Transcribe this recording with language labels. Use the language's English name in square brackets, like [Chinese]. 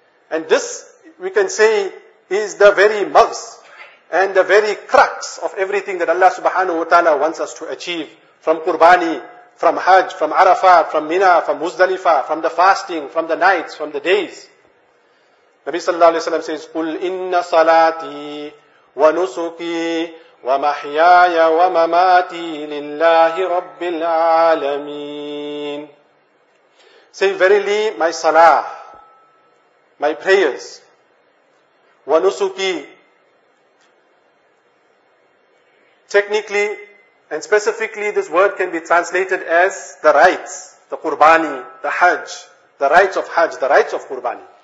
[English] And this, we can say, is the very mugs and the very crux of everything that Allah subhanahu wa ta'ala wants us to achieve from Qurbani, from Hajj, from Arafat, from Mina, from Muzdalifah, from the fasting, from the nights, from the days. Nabi sallallahu alayhi wa sallam says, [Arabic] قُلْ إِنَّ صَلَاتِي وَنُسُكِي وَمَحْيَايَ وَمَمَاتِي لِلَّهِ رَبِّ الْعَالَمِينَ. [English] Say, verily, my salah, my prayers, wanusuki, technically and specifically this word can be translated as the rites, the qurbani, the hajj, the rites of hajj, the rites of qurbani.